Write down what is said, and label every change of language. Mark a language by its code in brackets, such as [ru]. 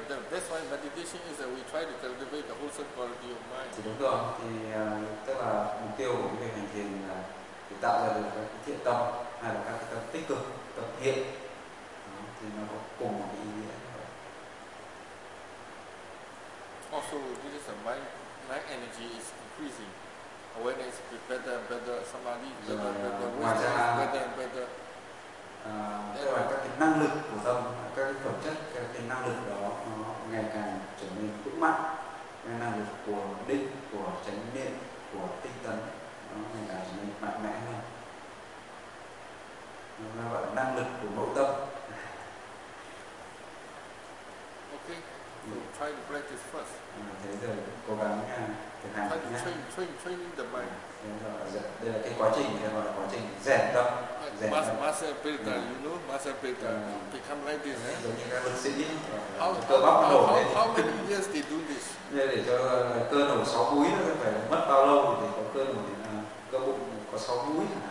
[en] That's why meditation is that we try to cultivate the wholesome quality of mind. [vi] Thì đúng rồi, thì tức là mục tiêu của cái hành thiền là để tạo ra được các cái thiện tâm hay là các cái tâm tích cực, tâm thiện. Đó, thì nó có cùng một ý nghĩa. [en] Also, this is a mind energy is increasing. Awareness is better and better, samadhi is better and better. [vi] Là các cái năng lực của tâm, các cái phẩm chất, các cái năng lực đó nó ngày càng trở nên vững mạnh, cái năng lực của định, của chánh niệm, của tinh tấn nó ngày càng trở nên. mạnh mẽ hơn. Nó là bạn năng lực của nội tâm. [en] Ok, so try to practice first. [vi] Thế rồi cố gắng nha, thực hành nha. [en] Train the mind. [vi] Đây là cái quá trình, đây là quá trình rèn tâm. [en] Master Peter, you know, Master Peter, become like this. [vi] Giống như các bậc sĩ, cơ bắp nổ lên. [en] How many years they do this? [vi] Để cho cơ nổ 6 múi, phải mất bao lâu thì có cơ nổ, cơ bụng có 6 múi.